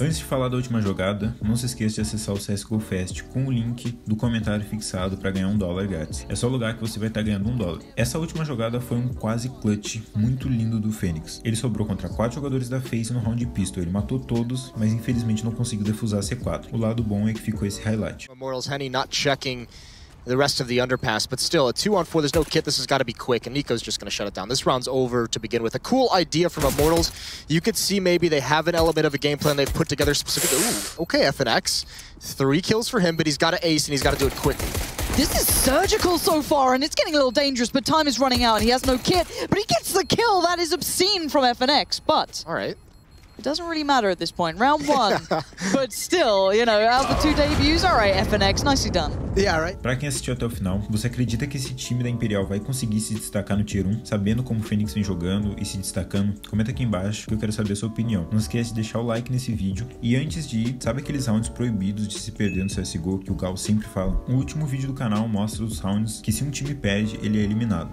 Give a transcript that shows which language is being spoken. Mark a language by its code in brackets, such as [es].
[pt] Antes de falar da última jogada, não se esqueça de acessar o CSGO Fest com o link do comentário fixado para ganhar $1 grátis. É só o lugar que você vai estar ganhando $1. Essa última jogada foi um quase clutch muito lindo do Fênix. Ele sobrou contra 4 jogadores da FaZe no round pistol. Ele matou todos, mas infelizmente não conseguiu defusar a C4. O lado bom é que ficou esse highlight. [en] Immortals Henny not checking the rest of the underpass, but still a 2-on-4, there's no kit, this has got to be quick, and Nico's just going to shut it down. This round's over to begin with. A cool idea from Immortals. You could see maybe they have an element of a game plan they've put together specifically. Ooh, okay, FNX. 3 kills for him, but he's got to ace, and he's got to do it quickly. This is surgical so far, and it's getting a little dangerous, but time is running out. He has no kit, but he gets the kill. That is obscene from FNX, but... All right. It doesn't really matter at this point. Round 1. But still, you know, out of the 2 debuts, all right, FNX, nicely done. Yeah, right. [pt] Pra quem assistiu até o final, você acredita que esse time da Imperial vai conseguir se destacar no Tier 1? Sabendo como o Fênix vem jogando e se destacando, comenta aqui embaixo que eu quero saber a sua opinião. Não esquece de deixar o like nesse vídeo. E antes de ir, sabe aqueles rounds proibidos de se perder no CSGO que o Gal sempre fala? O último vídeo do canal mostra os rounds que se um time perde, ele é eliminado.